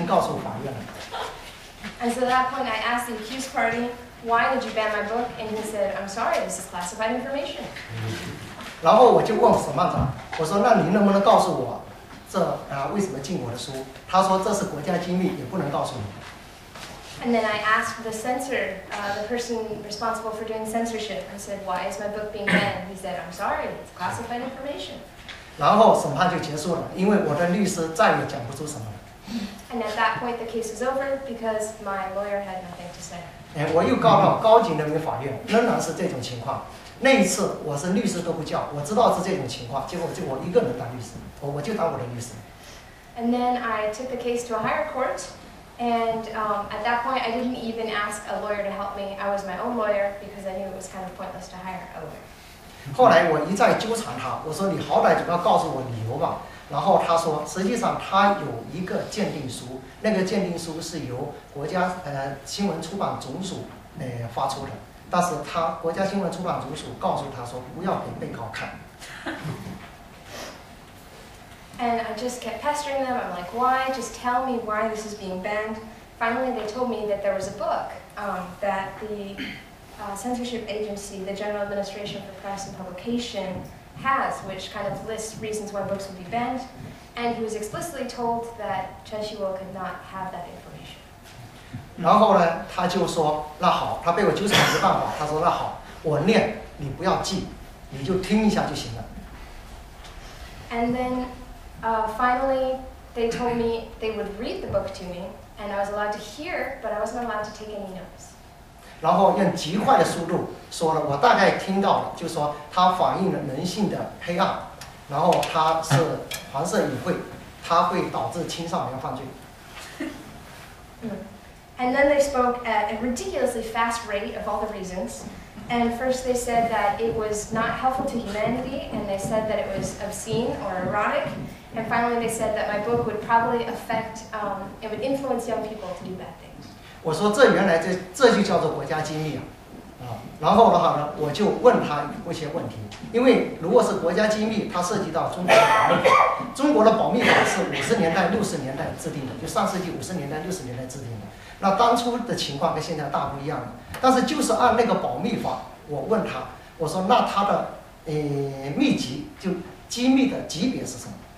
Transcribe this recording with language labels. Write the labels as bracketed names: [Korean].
[Chinese] 然后我问被告，我说你为什么禁我的书？你讲出理由来。他回答说，国家机密，我不能告诉你，我已经告诉法院了。 [English] And so at that point, I asked the accused party, why did you ban my book? And he said, I'm sorry, this is classified information. [Chinese] 然后我就问审判长，我说那你能不能告诉我，为什么禁我的书？他说这是国家机密，也不能告诉你。 [English] And then I asked the censor, the person responsible for doing censorship, I said, why is my book being banned? He said, I'm sorry, it's classified information. [Chinese] 然后审判就结束了，因为我的律师再也讲不出什么了。 [English] And at that point, the case was over because my lawyer had nothing to say. [Chinese] 我又告到高级人民法院，仍然是这种情况。那一次我是律师都不叫，我知道是这种情况，结果就我一个人当律师，我就当我的律师。 [English] And then I took the case to a higher court, and at that point I didn't even ask a lawyer to help me. I was my own lawyer because I knew it was kind of pointless to hire a lawyer. [Chinese] 后来我一再纠缠他，我说你好歹总要告诉我理由吧。然后他说实际上他有一个鉴定书，那个鉴定书是由国家新闻出版总署发出的，但是他国家新闻出版总署告诉他说不要给被告看。 [English] And I just kept pestering them. I'm like, why? Just tell me why this is being banned. Finally, they told me that there was a book that the censorship agency, the General Administration for Press and Publication, has, which kind of lists reasons why books would be banned. And he was explicitly told that Chen Xiwo could not have that information. [Chinese] 然后呢，他就说，那好，他被我纠缠没办法。他说，那好，我念，你不要记，你就听一下就行了。 [English] And then. Finally, they told me they would read the book to me, and I was allowed to hear, but I wasn't allowed to take any notes. [Chinese] 然后用极快的速度说了，我大概听到了，就说它反映了人性的黑暗，然后它是黄色隐晦，它会导致青少年犯罪。 [English] And then they spoke at a ridiculously fast rate of all the reasons. And first they said that it was not helpful to humanity, and they said that it was obscene or erotic. And finally they said that my book would probably affect, it would influence young people to do bad things. [Chinese] 我说这原来 这就叫做国家机密啊。然后的话呢，我就问他一些问题，因为如果是国家机密，它涉及到中国的保密法。中国的保密法是50年代、60年代制定的，就上世纪50年代、60年代制定的。那当初的情况跟现在大不一样了，但是就是按那个保密法，我问他，我说那他的密集就机密的级别是什么？